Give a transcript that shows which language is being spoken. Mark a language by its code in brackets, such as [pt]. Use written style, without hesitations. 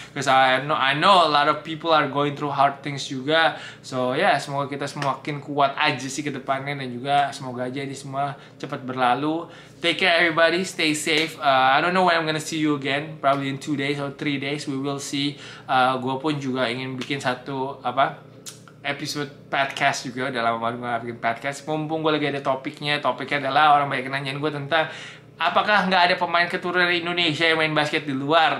[en] Because I know a lot of people are going through hard things juga. So yeah, [id] semoga kita semakin kuat aja sih ke depannya, dan juga semoga aja ini semua cepat berlalu. [en] Take care everybody, stay safe. I don't know when I'm gonna see you again, probably in 2 days or 3 days, we will see. [id] Gua pun juga ingin bikin satu apa episode podcast juga. Udah lama banget gua bikin podcast, mumpung gua lagi ada topiknya. Topiknya adalah orang banyak nanyain gua tentang apakah nggak ada pemain keturunan Indonesia yang main basket di luar?